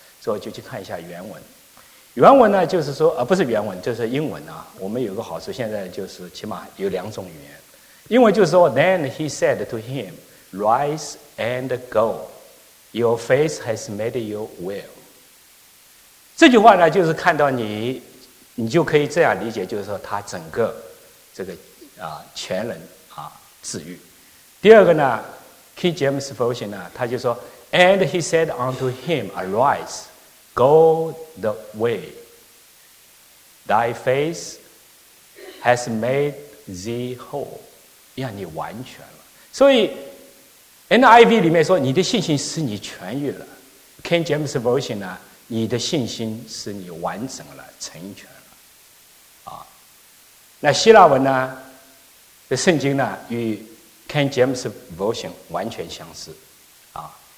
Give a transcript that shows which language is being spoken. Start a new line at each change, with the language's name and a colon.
Chinese: 所以我就去看一下原文。原文呢就是说不是原文，就是英文啊。我们有个好处，现在就是起码有两种语言。英文就是说
English: Then he said to him, Rise and go, your faith has made you well。
Chinese: 这句话呢就是看到你就可以这样理解，就是说他整个这个全人啊治愈。第二个呢
English: King James Version
Chinese: 呢，他就说
English: And he said unto him, Arise, go the way, thy faith has made thee whole,
Chinese: 让你完全了。所以 NIV 里面说你的信心使你痊愈了， King James Version 呢，你的信心是你完整了，成全了，啊。那希腊文呢？这圣经呢，与 King James Version 完全相似，啊。